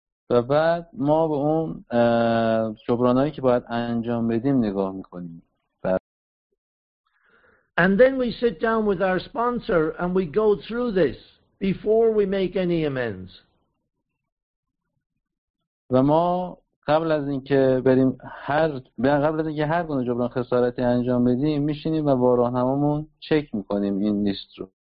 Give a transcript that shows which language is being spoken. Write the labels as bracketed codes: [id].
[fa] و بعد ما به اون جبرانایی که باید انجام بدیم نگاه میکنیم. [en] And then we sit down with our sponsor and we go through this before we make any amends. [fa] و ما قبل از اینکه بریم قبل از اینکه هر گونه جبران خسارتی انجام بدیم میشینیم و با راهنمامون چک میکنیم این لیست رو.